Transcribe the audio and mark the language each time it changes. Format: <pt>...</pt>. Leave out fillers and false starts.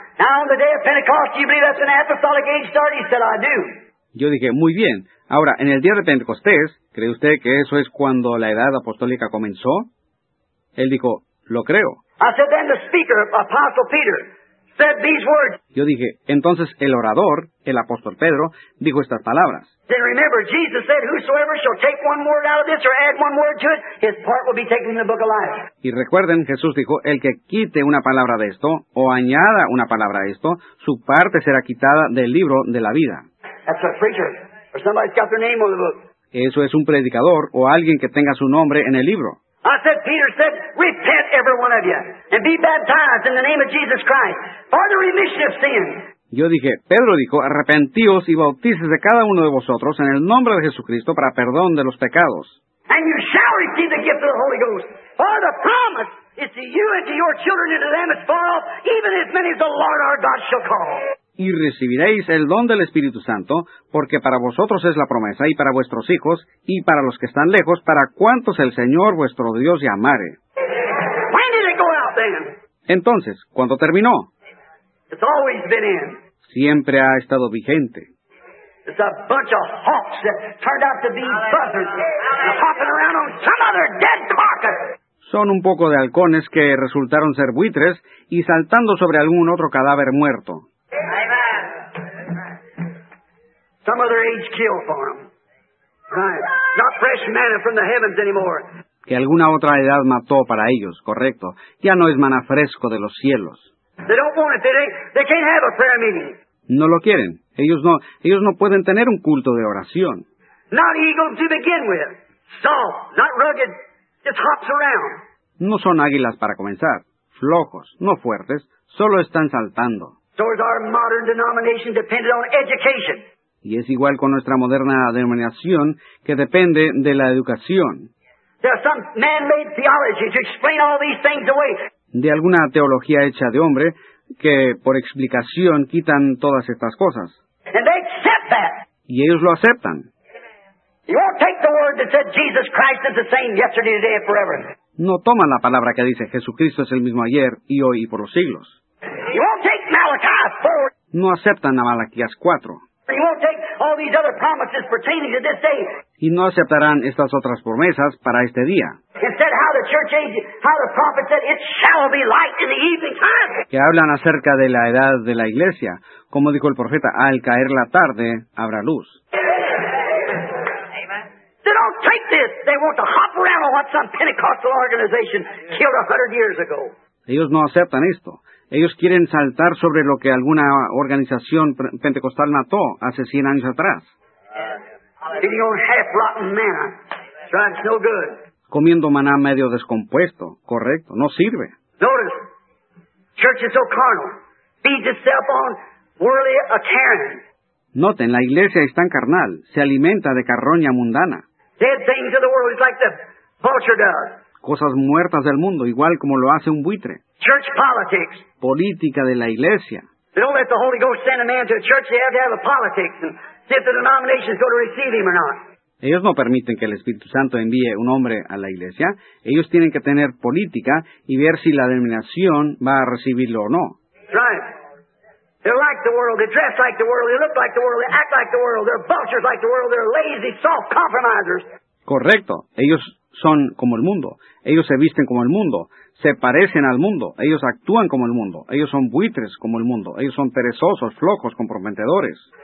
<en>Now on the day of Pentecost, do you believe that's an apostolic age start? He said, I do.</en> <es>Yo dije, muy bien. Ahora, en el día de Pentecostés, ¿cree usted que eso es cuando la edad apostólica comenzó? Él dijo, lo creo.</es> <en>I said, then the speaker, Apostle Peter, said these words.</en> <es>Yo dije, entonces el orador, el apóstol Pedro, dijo estas palabras.</es> <en>Then remember, Jesus said, whosoever shall take one word out of this or add one word to it, his part will be taken in the book of life.</en> <es>Y recuerden, Jesús dijo, el que quite una palabra de esto o añada una palabra a esto, su parte será quitada del libro de la vida.</es> <en>That's a preacher, or somebody's got their name on the book.</en> <es>Eso es un predicador o alguien que tenga su nombre en el libro.</es> <en>I said, Peter said, repent every one of you and be baptized in the name of Jesus Christ for the remission of sins.</en> <es>Yo dije, Pedro dijo, arrepentíos y bautícese cada uno de vosotros en el nombre de Jesucristo para perdón de los pecados.</es> <en>And you shall receive the gift of the Holy Ghost. For the promise is to you and to your children and to them as far off, even as many as the Lord our God shall call.</en> <es>Y recibiréis el don del Espíritu Santo, porque para vosotros es la promesa, y para vuestros hijos, y para los que están lejos, para cuantos el Señor vuestro Dios llamare.</es> <en>When did it go out then?</en> <es>Entonces, ¿cuándo terminó?</es> <en>It's always been in.</en> <es>Siempre ha estado vigente.</es> <en>It's a bunch of hawks that turned out to be buzzards hopping around on some other dead carcass.</en> <es>Son un poco de halcones que resultaron ser buitres y saltando sobre algún otro cadáver muerto.</es> <en>Some other age kill for them. Right. Not fresh manna from the heavens anymore.</en> <es>Que alguna otra edad mató para ellos, correcto. Ya no es maná fresco de los cielos.</es> <en>They don't want it. They can't have a prayer meeting.</en> <es>No lo quieren. Ellos no pueden tener un culto de oración.</es> <en>Not eagles to begin with. Soft, not rugged. Just hops around.</en> <es>No son águilas para comenzar. Flojos, no fuertes. Solo están saltando.</es> <en>So is our modern denomination dependent on education.</en> <es>Y es igual con nuestra moderna denominación que depende de la educación.</es> <en>There are some man-made theology to explain all these things away.</en> <es>De alguna teología hecha de hombre que por explicación quitan todas estas cosas.</es> <en>And they accept that.</en> <es>Y ellos lo aceptan.</es> <en>You won't take the word that said Jesus Christ is the same yesterday, today, and forever.</en> <es>No toman la palabra que dice Jesucristo es el mismo ayer y hoy y por los siglos.</es> <en>You won't take Malachi 4.</en> <es>No aceptan a Malaquías 4.</es> <en>You won't take all these other promises pertaining to this day.</en> <es>Y no aceptarán estas otras promesas para este día.</es> <en>Instead, how the church age, how the prophet said, it shall be light in the evening time.</en> <es>Que hablan acerca de la edad de la iglesia. Como dijo el profeta, al caer la tarde, habrá luz.</es> <en>Amen. They don't take this. They want to hop around on what some Pentecostal organization killed 100 years ago.</en> <es>Ellos no aceptan esto. Ellos quieren saltar sobre lo que alguna organización pentecostal mató hace 100 años atrás.</es> <en>Eating on half-rotten manna. That's no good.</en> <es>Comiendo maná medio descompuesto. Correcto. No sirve.</es> <en>Notice, church is so carnal. Feeds itself on worldly carrion.</en> <es>Noten, la iglesia es tan carnal. Se alimenta de carroña mundana.</es> <en>Dead things of the world is like the vulture does.</en> <es>Cosas muertas del mundo, igual como lo hace un buitre.</es> <en>Church politics.</en> <es>Política de la iglesia.</es> <en>They don't let the Holy Ghost send a man to a church. They have to have a politics and see if the denomination is going to receive him or not.</en> <es>Ellos no permiten que el Espíritu Santo envíe un hombre a la iglesia. Ellos tienen que tener política y ver si la denominación va a recibirlo o no.</es> <en>Right. They're like the world. They dress like the world. They look like the world. They act like the world. They're vultures like the world. They're lazy, soft compromisers.</en> <es>Correcto. Ellos son como el mundo. Ellos se visten como el mundo. Se parecen al mundo. Ellos actúan como el mundo. Ellos son buitres como el mundo. Ellos son perezosos, flojos, comprometedores.</es>